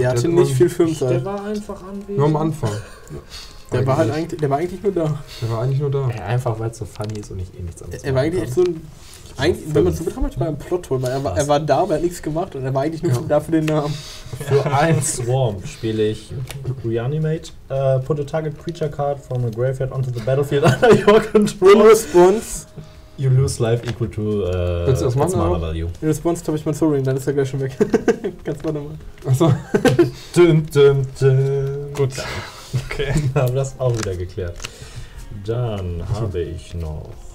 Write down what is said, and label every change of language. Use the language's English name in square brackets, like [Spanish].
[German] Der hatte nicht viel Filmzeit. Der war einfach anwesend. Nur am Anfang. Der war halt eigentlich, der war eigentlich nur da. Der war eigentlich nur da. Einfach weil es so funny ist und ich eh nichts anderes. Er war eigentlich echt so ein. Eigentlich, wenn man so betrachtet, war ein Plot-Hole, weil er war da, aber er hat nichts gemacht und er war eigentlich nur da für den Namen. Für ein Swarm spiele ich Reanimate. [English] Put a target creature card from a graveyard onto the battlefield under your control. In response. You lose life equal to its mana value. In response [German] habe ich mein Soul Ring, dann ist er gleich schon weg. Kannst du nochmal. Achso. Dum, dum, dum. Gut. Okay. Dann haben wir das auch wieder geklärt. Dann habe ich noch.